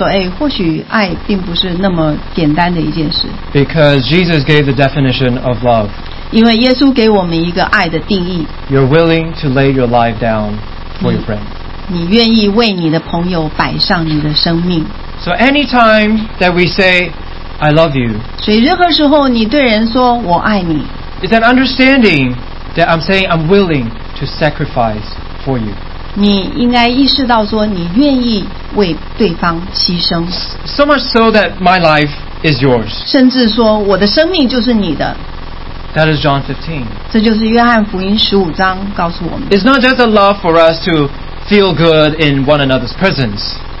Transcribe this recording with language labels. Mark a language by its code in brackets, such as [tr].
[zh] 然后我读了约翰福音十五章，然后我就意识到说，哎，或许爱并不是那么简单的一件事。 [en] Because Jesus gave the definition of love. [zh] 因为耶稣给我们一个爱的定义。 [en] You're willing to lay your life down for your friend. [zh] 你愿意为你的朋友摆上你的生命。 [en] So anytime that we say, "I love you," [zh] 所以任何时候你对人说，我爱你。 [en] It's an understanding that I'm saying I'm willing to sacrifice for you. [zh] 你应该意识到说你愿意为对方牺牲。 [en] So much so that my life is yours. [zh] 甚至说我的生命就是你的。 [en] That is John 15. [zh] 这就是约翰福音十五章告诉我们。 [en] It's not just a love for us to feel good in one another's presence.